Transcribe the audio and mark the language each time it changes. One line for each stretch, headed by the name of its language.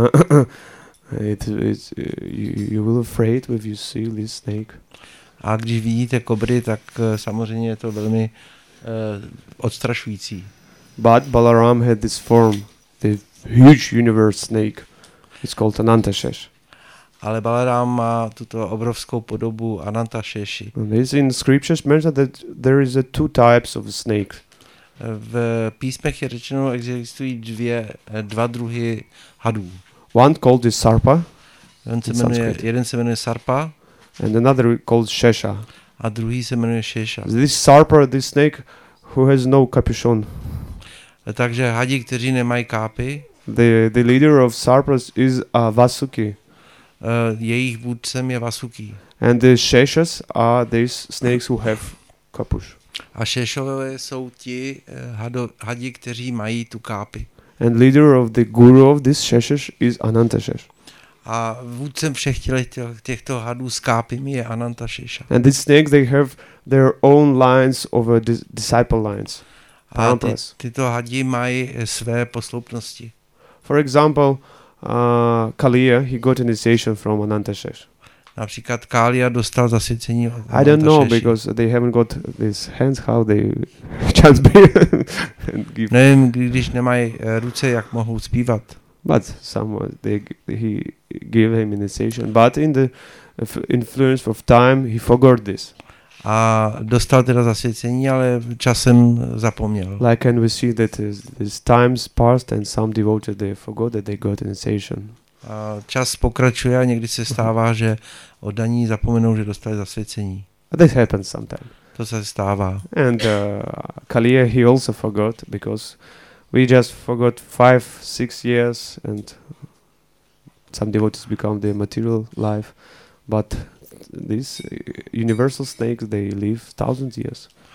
English: You will afraid if you see this snake.
Czech: A když vidíte kobry, tak samozřejmě je to velmi odstrašující.
English: But Balaram had this form, the huge universe snake. It's called Ananta Shesh.
Czech: Ale Balaram má tuto obrovskou podobu Ananta Sheshi.
English: This in scriptures mentioned that there is a two types of snake.
Czech: V písmech je řečeno, že existují dva druhy hadů.
English: One called the Sarpa.
Czech: Jeden se jmenuje Sarpa.
English: And another called Shesha.
Czech: A druhý se jmenuje Shesha.
English: This Sarpa, this snake, who has no capuchon.
Czech: Takže hadi, kteří nemají kápy.
English: The leader of Sarpas is Vasuki.
Czech: Jejich vůdcem je Vasuki.
English: And the Sheshas are these snakes who have capuch.
Czech: A Šešové jsou ti hadi, kteří mají tu kápy.
English: And leader of the guru of this Sheshas is Ananta Shesh.
Czech: A vůdcem všech těchto hadů s kápymi je Ananta Shesha.
English: And these snakes, they have their own lines of disciple lines.
Czech: A tyto hadi mají své posloupnosti.
English: For example, Kaliya, he got initiation from Ananta Shesh.
Czech: Například Kaliya dostal zasvěcení od Ananta Sheshi.
English: I don't know, because they haven't got these hands, how they chant be and give.
Czech: Nevím, když nemají ruce, jak mohou zpívat.
English: But someone, he gave him initiation. But in the influence of time, he forgot this.
Czech: A dostal teda zasvěcení, ale časem zapomněl.
English: Like and we see that this times passed and some devoted they forgot that they got initiation.
Czech: A čas pokračuje a někdy se stává, že oddaní zapomenou, že dostali zasvěcení.
English: This happens sometimes.
Czech: To se stává.
English: And Kaliya, he also forgot, because we just forgot 5-6 years and some devotees become the material life, but these universal snakes, they live thousands of years.